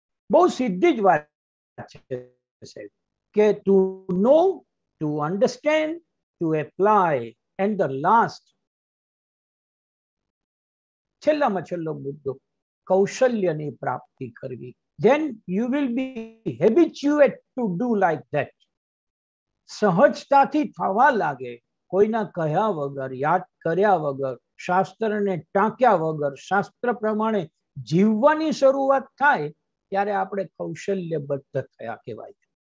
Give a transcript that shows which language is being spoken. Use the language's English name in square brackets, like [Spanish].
[Gujarati] બહુ સીધી જ વાત છે કે [English] to know, to understand, to apply, and the last, [Gujarati] છેલ્લામાં છેલ્લો મુદ્દો, કૌશલ્યની પ્રાપ્તિ કરવી. [English] Then you will be habituated to do like that. [Gujarati] સહજતાથી થવા લાગે, કોઈના કહ્યા વગર, યાદ કર્યા વગર, શાસ્ત્રને ટાંક્યા વગર, શાસ્ત્ર પ્રમાણે જીવવાની શરૂઆત થાય ત્યારે આપણે કૌશલ્યબદ્ધ થયા કહેવાય.